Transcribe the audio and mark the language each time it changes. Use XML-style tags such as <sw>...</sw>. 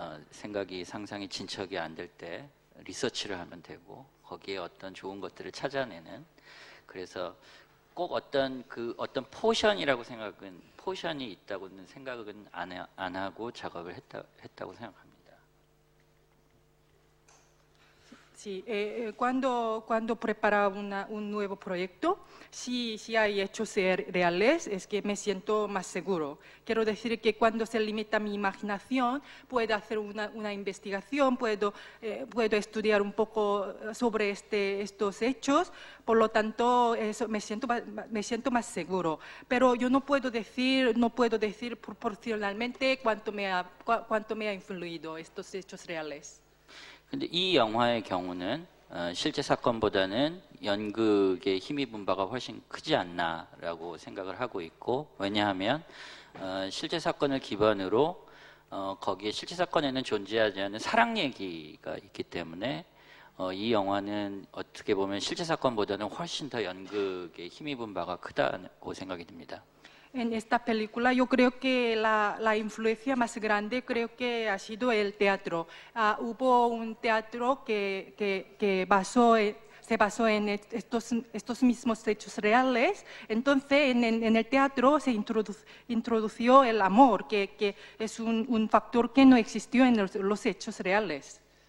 <ko>생각이 상상이 진척이 안 될 때 리서치를 하면 되고 거기에 어떤 좋은 것들을 찾아내는, 그래서 꼭 어떤 그 어떤 포션이라고 생각은 포션이 있다고는 생각은 안 하고 작업을 했다고 생각합니다.</ko> <es>Sí, cuando preparaba un nuevo proyecto, si hay hechos reales, es que me siento más seguro. Quiero decir que cuando se limita mi imaginación, puedo hacer una investigación, puedo estudiar un poco sobre estos hechos, por lo tanto, eso, me siento más seguro. Pero yo no puedo decir proporcionalmente cuánto me ha influido estos hechos reales.</es> <ko>근데 이 영화의 경우는 실제 사건보다는 연극의 힘입은 바가 훨씬 크지 않나라고 생각을 하고 있고, 왜냐하면 실제 사건을 기반으로 거기에 실제 사건에는 존재하지 않는 사랑 얘기가 있기 때문에 이 영화는 어떻게 보면 실제 사건보다는 훨씬 더 연극의 힘입은 바가 크다고 생각이 듭니다.</ko> <es>En esta película yo creo que la influencia más grande creo que ha sido el teatro. Hubo un teatro que se basó en estos mismos hechos reales. Entonces en el teatro se introdució el amor, que es un factor que no existió en los hechos reales.</es>